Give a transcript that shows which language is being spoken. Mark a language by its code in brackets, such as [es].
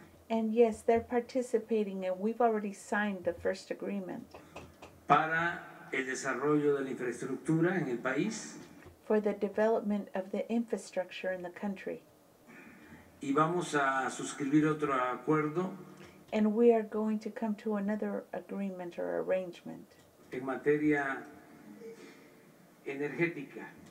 [en] And yes, they're participating and we've already signed the first agreement. [es] Para el desarrollo de la infraestructura en el país. [en] For the development of the infrastructure in the country. [es] Y vamos a suscribir otro acuerdo. [en] And we are going to come to another agreement or arrangement. [es] En materia energética.